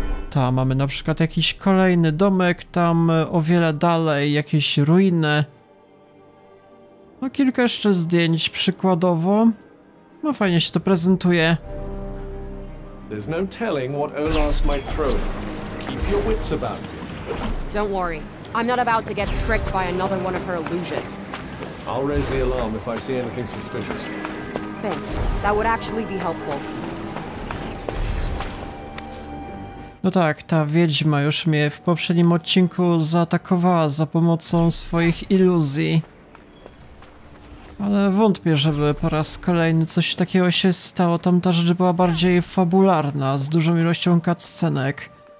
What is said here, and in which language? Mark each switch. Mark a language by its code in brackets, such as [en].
[pl] Ta, mamy na przykład jakiś kolejny domek, tam o wiele dalej, jakieś ruiny. No kilka jeszcze zdjęć przykładowo. No fajnie się to prezentuje. [en] There's no telling what Olas might throw. Keep your wits about you. Don't worry. I'm not about to get tricked by another one of her illusions. I'll raise the alarm if I see anything suspicious. Thanks. That would actually be helpful. [pl] No tak, ta wiedźma już mnie w poprzednim odcinku zaatakowała za pomocą swoich iluzji. Ale wątpię, żeby po raz kolejny coś takiego się stało. Tam ta rzecz była bardziej fabularna, z dużą ilością cutscenek.